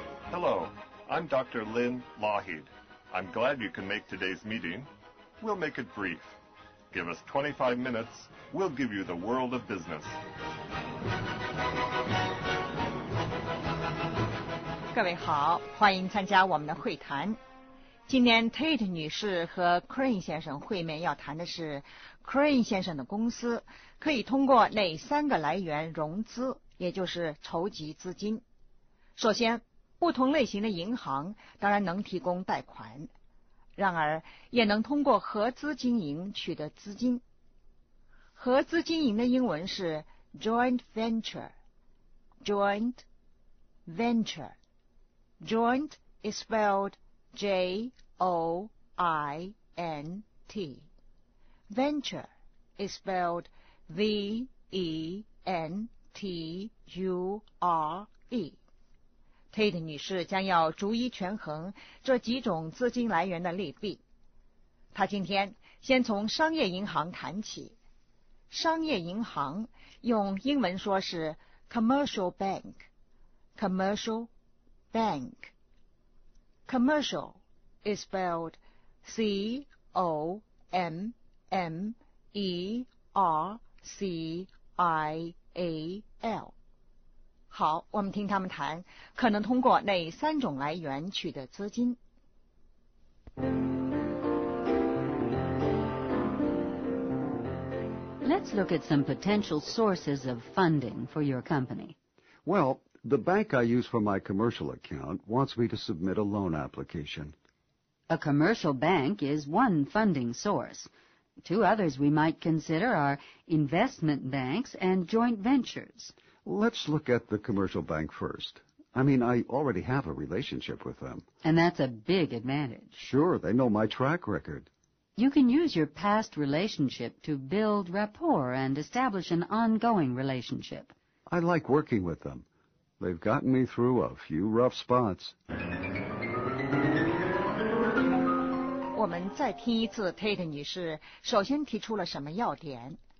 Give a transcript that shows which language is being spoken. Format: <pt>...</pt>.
<en>Hello. I'm Dr. Lynn Lougheed. I'm glad you can make today's meeting. We'll make it brief. Give us 25 minutes. We'll give you the world of business.</en> <zh>各位好，欢迎参加我们的会谈。今天 Tate 女士和 Crane 先生会面，要谈的是 Crane 先生的公司可以通过哪三个来源融资，也就是筹集资金。首先，不同类型的银行当然能提供贷款，然而也能通过合资经营取得资金。合资经营的英文是</zh> <en>joint venture， joint venture， joint is spelled J-O-I-N-T， venture is spelled V-E-N-T-U-R-E。</en> <zh>Tate 女士将要逐一权衡这几种资金来源的利弊。她今天先从商业银行谈起。商业银行用英文说是</zh> <en>commercial bank， commercial bank， commercial is spelled c o m m e r c i a l。</en> <zh>好，我们听他们谈可能通过哪三种来源取得资金。</zh> <en>Let's look at some potential sources of funding for your company. Well, the bank I use for my commercial account wants me to submit a loan application. A commercial bank is one funding source. Two others we might consider are investment banks and joint ventures. Let's look at the commercial bank first. I mean, I already have a relationship with them. And that's a big advantage. Sure, they know my track record. You can use your past relationship to build rapport and establish an ongoing relationship. I like working with them. They've gotten me through a few rough spots.</en> <zh>我们再听一次 Tate 女士首先提出了什么要点。</zh>